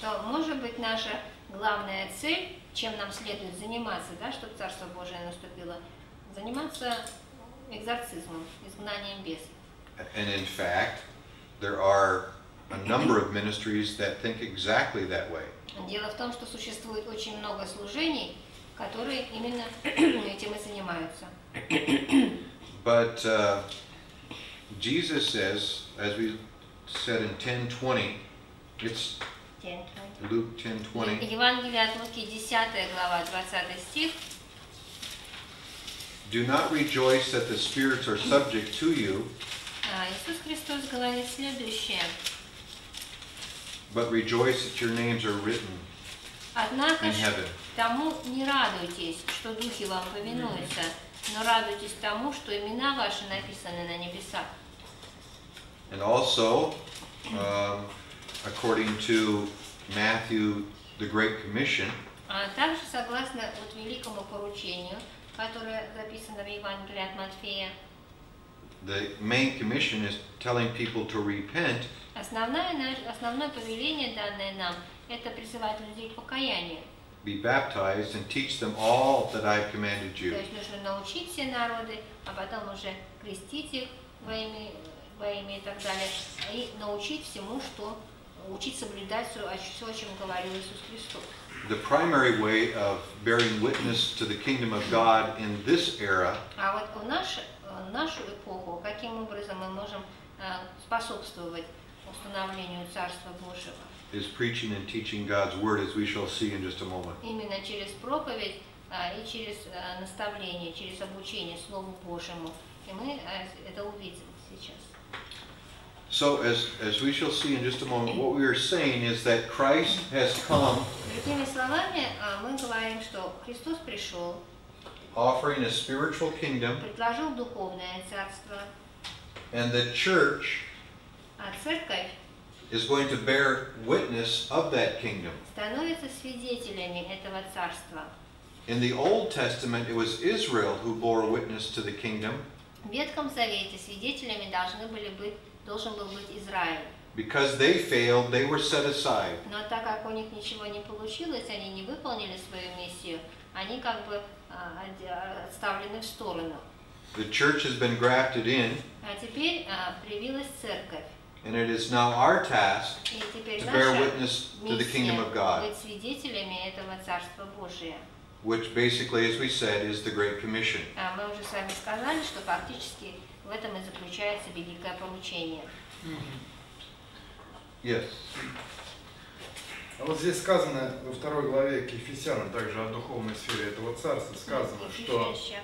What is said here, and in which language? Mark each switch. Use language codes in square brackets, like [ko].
[ru] То, может быть, наша главная цель, чем нам следует заниматься, да, чтобы Царство Божие наступило, заниматься экзорцизмом, изгнанием бесов. [en] And in fact, there are a number of ministries that think exactly that way. [ru] Дело в том, что существует очень много служений, которые именно этим и занимаются. [en] But Jesus says, as we said in 10:20, it's Luke 10:20. [ru] Евангелие от Луки, 10 глава, 20 стих. [en] Do not rejoice that the spirits are subject to you. [ru] Иисус Христос говорит следующее. [en] But rejoice that your names are written in heaven. [ru] Тому не радуйтесь, что духи вам повинуются, но радуйтесь тому, что имена ваши написаны на небесах. [en] And also, according to Matthew, the Great Commission. [ru] А также согласно вот великому поручению, которое записано в Евангелии от Матфея. [en] The main commission is telling people to repent. [ru] Основное повеление данное нам – это призывать людей к покаянию. [en] Be baptized and teach them all that I have commanded you. [ru] То есть нужно научить все народы, а потом уже крестить их во имя и так далее, и научить всему, что учить соблюдать все, о чем говорил Иисус Христос. [en] The primary way of bearing witness to the kingdom of God in this era. [ru] А вот в нашу эпоху каким образом мы можем способствовать установлению Царства Божьего? [en] Is preaching and teaching God's word, as we shall see in just a moment. [ru] Именно через проповедь и через наставление, через обучение Слову Божьему, и мы это увидим сейчас. [en] So as we shall see in just a moment, what we are saying is that Christ has come. [ru] Другими словами, мы говорим, что Христос пришел. [en] Offering a spiritual kingdom. [ru] Предложил духовное царство. [en] And the church. [ru] А церковь. [en] Is going to bear witness of that kingdom. [ru] Становятся свидетелями этого царства. [en] In the Old Testament, it was Israel who bore witness to the kingdom. [ru] В Ветхом Завете свидетелями должен был быть Израиль. [en] Because they failed, they were set aside. [ru] Но так как у них ничего не получилось, они не выполнили свою миссию, они как бы отставлены в сторону. [en] The church has been grafted in. [ru] А теперь привилась церковь. [en] And it is now our task to bear witness to the kingdom of God. [ru] Быть свидетелями этого царства Божия. [en] Which basically, as we said, is the Great Commission. [ru] Мы уже с вами сказали, что фактически в этом и заключается великое поручение. [en] Mm-hmm. Yes. [ru] А вот здесь сказано во второй главе к Ефесянам, также о духовной сфере этого царства, сказано, что,